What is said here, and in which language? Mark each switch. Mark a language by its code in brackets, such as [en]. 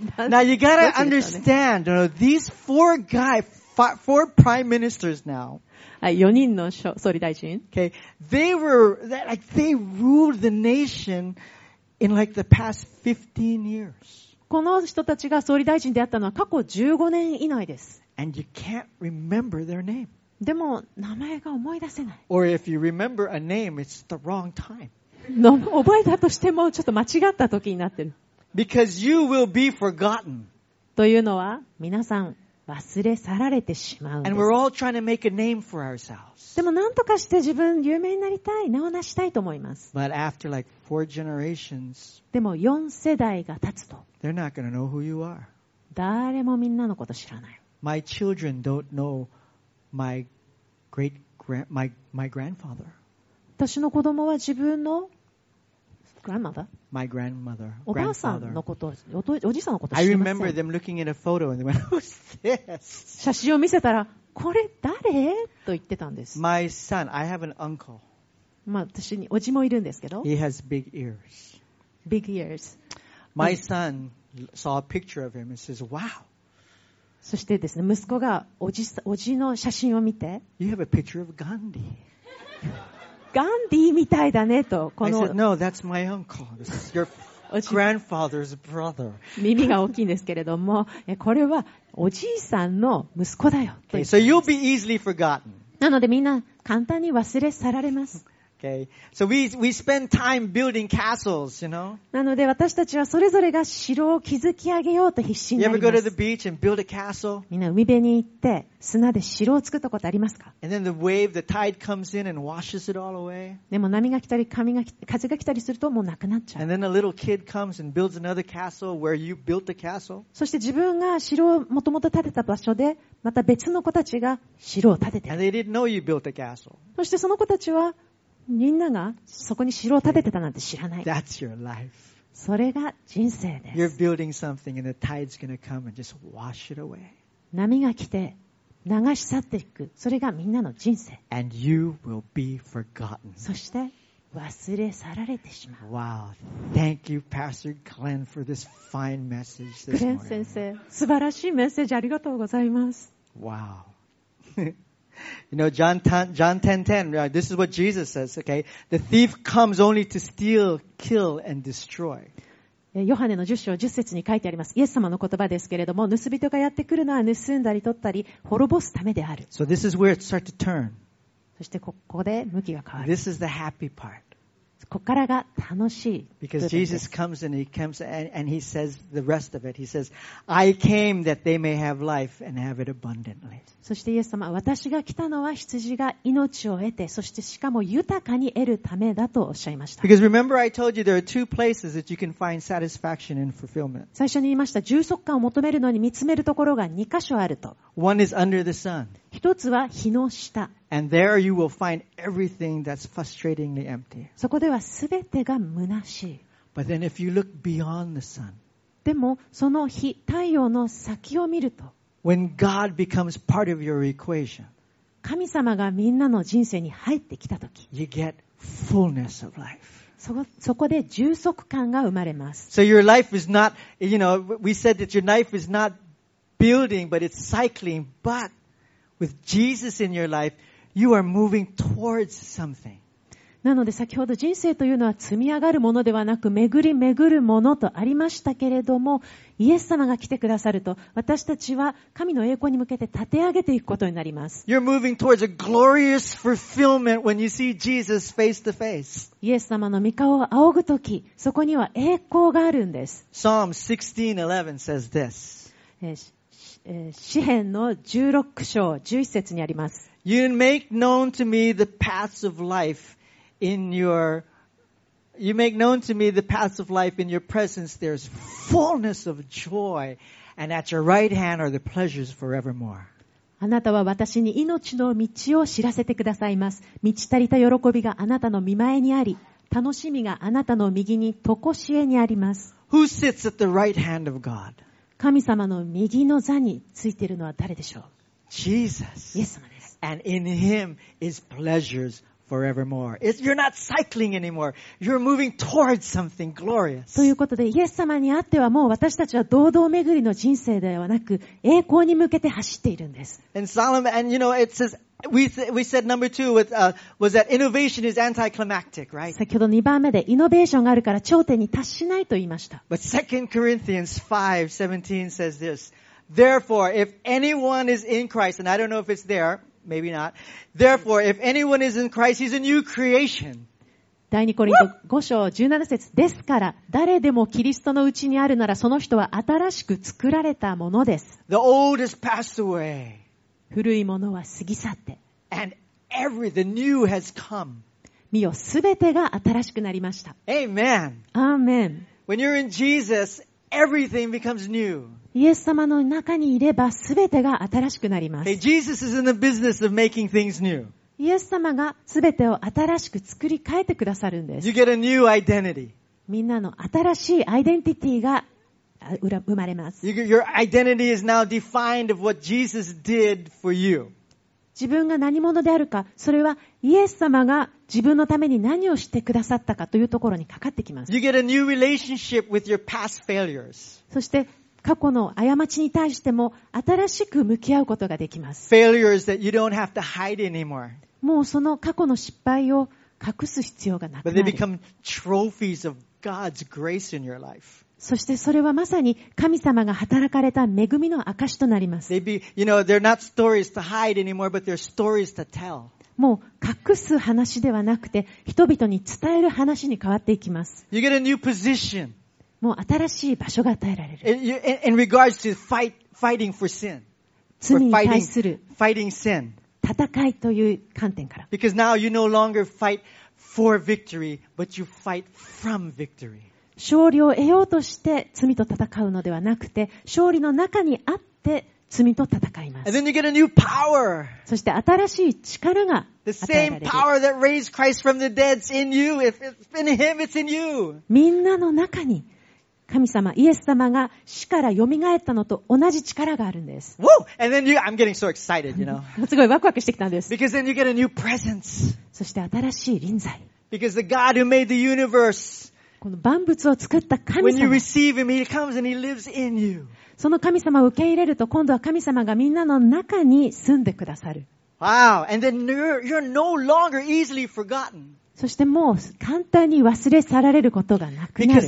[en] Now you gotta understand, you know, these four guys, four prime ministers now. [ja] 4人の総理大臣。 [en] Okay, they were like they ruled the nation. In like the past 15 years. [ja] この人たちが総理大臣であったのは過去15年以内です。 [en] And you can't remember their name. [ja] でも名前が思い出せない。 [en] Or if you remember a name, it's the wrong time. [ja] 覚えたとしてもちょっと間違った時になってる。 [en] Because you will be forgotten. [ja] というのは皆さん忘れ去られてしまうんです。 [en] And we're all trying to make a name for ourselves. [ja] でも何とかして自分有名になりたい、名を成したいと思います。 [en] But after like four generations, [ja] でも4世代が経つと、 [en] they're not gonna know who you are. [ja] 誰もみんなのこと知らない。 [en] My children don't know my grandfather. [ja] 私の子供は自分の grandmother? [en] My grandmother. [ja] おばあさんのこと、おじさんのこと知りません。 [en] I remember them looking at a photo and they went, "Who's this?" [ja] 写真を見せたら。これ誰？と言ってたんです。 [en] My son, I have an uncle. [ja] まあ私におじもいるんですけど。 [en] He has big ears. Big ears. My son saw a picture of him and says, "Wow." [ja] そしてですね、息子がおじの写真を見て、 [en] You have a picture of Gandhi. [ja] Gandhi みたいだねとこの。 [en] I said, "No, that's my uncle. This is your grandfather's brother." [ja] 耳が大きいんですけれども、これは。おじいさんの息子だよ。 [en] Okay, so you'll be easily forgotten. [ja] なのでみんな簡単に忘れ去られます。 [en] Okay. So we spend time building castles, you know? [ja] なので私たちはそれぞれが城を築き上げようと必死になります。 [en] You ever go to the beach and build a castle? [ja] みんな海辺に行って砂で城を作ったことありますか？ [en] And then the wave, the tide comes in and washes it all away. [ja] でも波が来たり風が来たりするともうなくなっちゃう。 [en] And then a little kid comes and builds another castle where you built the castle. [ja] そして自分が城をもともと建てた場所でまた別の子たちが城を建てて。 [en] And they didn't know you built the castle. [ja] そしてその子たちはみんながそこに城を建ててたなんて知らない。 [en] That's your life. [ja] それが人生です。 [en] You're building something and the tide's gonna come and just wash it away. [ja] 波が来て流し去っていく。それがみんなの人生。 [en] And you will be forgotten. [ja] そして忘れ去られてしまう。 [en] Wow. Thank you, Pastor Glenn, for this fine message this morning. [ja] Glenn 先生、素晴らしいメッセージありがとうございます。 [en] Wow. You know, John 10:10, right? This is what Jesus says, okay? The thief comes only to steal, kill, and destroy. [ja] ヨハネの10章10節に書いてあります。イエス様の言葉ですけれども、盗人がやってくるのは盗んだり取ったり、滅ぼすためである。 [en] So this is where it starts to turn. [ja] そしてここで向きが変わる。 [en] This is the happy part. [ja] ここからが楽しい。 [en] Because Jesus comes and he comes and he says the rest of it. He says, I came that they may have life and have it abundantly. [ja] そしてイエス様、私が来たのは羊が命を得て、そしてしかも豊かに得るためだとおっしゃいました。 [en] Because remember I told you there are two places that you can find satisfaction and fulfillment. [ja] 最初に言いました、充足感を求めるのに見つめるところが2箇所あると。 [en] One is under the sun. [ja] 一つは日の下。 [en] And there you will find everything that's frustratingly empty. [ja] そこではすべてが虚しい。 [en] But then if you look beyond the sun, [ja] でもその日、太陽の先を見ると、 [en] when God becomes part of your equation, [ja] 神様がみんなの人生に入ってきたとき、 [en] you get fullness of life. [ja] そこで充足感が生まれます。 [en] So your life is not, you know, we said that your life is not building, but it's cycling. But with Jesus in your life, you are moving towards something. [ja] なので先ほど人生というのは積み上がるものではなく巡り巡るものとありましたけれども、イエス様が来てくださると私たちは神の栄光に向けて立て上げていくことになります。 [en] You're moving towards a glorious fulfillment when you see Jesus face to face. [ja] イエス様の御顔を仰ぐとき、そこには栄光があるんです。 [en] Psalm 16:11 says this. [ja] 詩編の16章11節にあります。 [en] You make known to me the paths of life in your, you make known to me the paths of life in your presence. There's fullness of joy, and at your right hand are the pleasures forevermore. [ja] あなたは私に命の道を知らせてくださいます。満ち足りた喜びがあなたの御前にあり、楽しみがあなたの右に常しえにあります。 [en] Who sits at the right hand of God? [ja] 神様の右の座についているのは誰でしょう? [en] Jesus. [ja] イエス様です。 [en] And in him is pleasures forevermore. You're not cycling anymore. You're moving towards something glorious. [ja] ということで、イエス様にあってはもう私たちは堂々巡りの人生ではなく、栄光に向けて走っているんです。 [en] And Solomon, and you know, it says, we said number two was that innovation is anticlimactic, right? [ja] 先ほど2番目でイノベーションがあるから頂点に達しないと言いました。 [en] But 2 Corinthians 5:17 says this, Therefore, if anyone is in Christ, and I don't know if it's there,Maybe not. Therefore, if anyone is in Christ, he's a new creation. [ja] 第2コリント5章17節ですから、誰でもキリストのうちにあるなら、その人は新しく作られたものです。 [en] The old has passed away. [ja] 古いものは過ぎ去って。 [en] And the new has come. [ja] 見よ、すべてが新しくなりました。 [en] Amen. Amen. When you're in Jesus, everything becomes new. [ja] イエス様の中にいればすべてが新しくなります。 [en] Hey, Jesus is in the business of making things new. [ja] イエス様がすべてを新しく作り変えてくださるんです。 [en] You get a new identity. [ja] みんなの新しいアイデンティティが生まれます。 [en] Your identity is now defined of what Jesus did for you. [ja] 自分が何者であるか、それはイエス様が自分のために何をしてくださったかというところにかかってきます。 [en] You get a new relationship with your past failures. [ja] そして過去の過ちに対しても新しく向き合うことができます。 [en] Failures that you don't have to hide anymore. [ja] もうその過去の失敗を隠す必要がなくなる。 [en] But they become trophies of God's grace in your life. [ja] そしてそれはまさに神様が働かれた恵みの証となります。 [en] You know, they're not stories to hide anymore, but they're stories to tell. [ja] もう隠す話ではなくて人々に伝える話に変わっていきます。 [en] You get a new position. [ja] もう新しい場所が与えられる。 [en] In regards to fighting for sin, [ja] 罪に対する [en] fighting sin, [ja] 戦いという観点から。 [en] Because now you no longer fight for victory, but you fight from victory. [ja] 勝利を得ようとして罪と戦うのではなくて、勝利の中にあって罪と戦います。 [en] And then you get a new power. [ja] そして新しい力が与えられる。 [en] The same power that raised Christ from the dead is in you. If it's in Him, it's in you. [ja] みんなの中に。神様、イエス様が死から蘇ったのと同じ力があるんです。 Woo! [en] And then I'm getting so excited, you know. [ja] すごいワクワクしてきたんです。 [en] Because then you get a new presence. [ja] そして新しい臨在。 [en] Because the God who made the universe. [ja] この万物を作った神様。 [en] When you receive Him, He comes and He lives in you. [ja] その神様を受け入れると、今度は神様がみんなの中に住んでくださる。 Wow! [en] And then you're no longer easily forgotten. [ja] そしてもう簡単に忘れ去られることがなくなる。